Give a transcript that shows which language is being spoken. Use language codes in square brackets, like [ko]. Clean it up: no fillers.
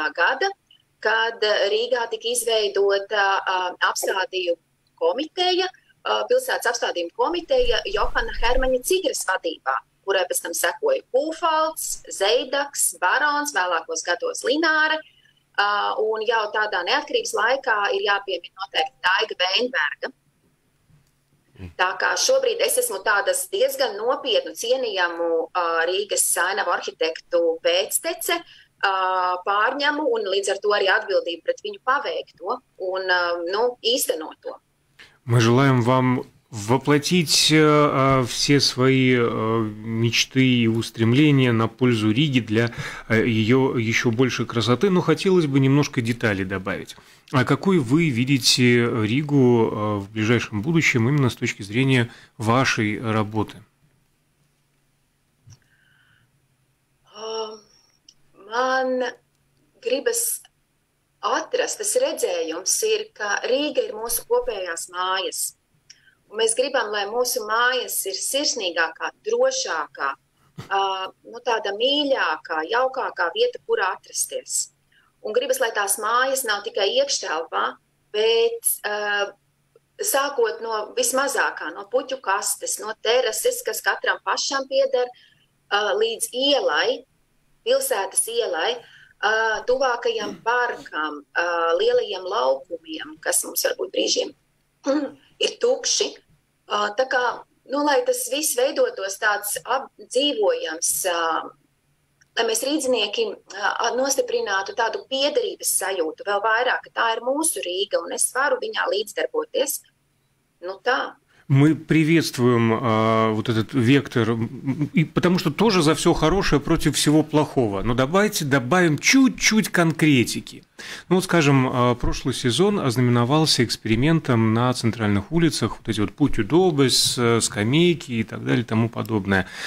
[lv] Gada, kad Rīgā tika izveidota apstādījuma komiteja, pilsētas apstādījuma komiteja Johana Hermaņa Cigres vadībā, kurai pēc tam sekoja Kūfalds, Zeidaks, Barons, vēlākos gados Lināre, un jau tādā neatkarības laikā ir jāpiemin noteikti Daiga Veinberga. Tā kā šobrīd es esmu tādas diezgan nopietnu cienījamu Rīgas ainava arhitektu pēctece pārņemu un līdz ar to arī atbildību pret viņu paveikto un īstenot to. [ru] Мы желаем вам воплотить все свои мечты и устремления на пользу Риги для ее еще большей красоты, но хотелось бы немножко деталей добавить. А какой вы видите Ригу в ближайшем будущем именно с точки зрения вашей работы? [lv] Man gribas atrastas redzējums ir, ka Rīga ir mūsu kopējās mājas. Un mēs gribam, lai mūsu mājas ir sirsnīgākā, drošākā, tāda mīļākā, jaukākā vieta, kur atrasties. Un gribas, lai tās mājas nav tikai iekštelpā, bet sākot no vismazākā, no puķu kastes, no terases, kas katram pašam pieder, līdz ielai, pilsētas ielai, tuvākajam parkam, lielajiem laukumiem, kas mums varbūt brīžiem ir tukši. Tā kā, lai tas viss veidotos tāds apdzīvojams, lai mēs rīdzinieki nostiprinātu tādu piederības sajūtu vēl vairāk, ka tā ir mūsu Rīga, un es varu viņā līdzdarboties. [ru] Мы приветствуем вот этот вектор, и, потому что тоже за все хорошее против всего плохого. Но давайте добавим чуть-чуть конкретики. Ну, вот, скажем, прошлый сезон ознаменовался экспериментом на центральных улицах, вот эти вот путь удобность, скамейки и так далее, и тому подобное.